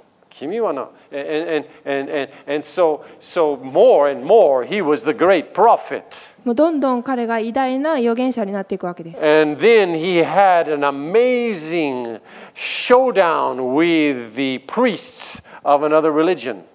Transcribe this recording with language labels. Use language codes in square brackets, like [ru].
[ja] 君はな、 [en] and so more and more he was the great prophet. [ja] もうどんどん彼が偉大な預言者になっていくわけです。 [en] And then he had an amazing showdown with the priests of another religion.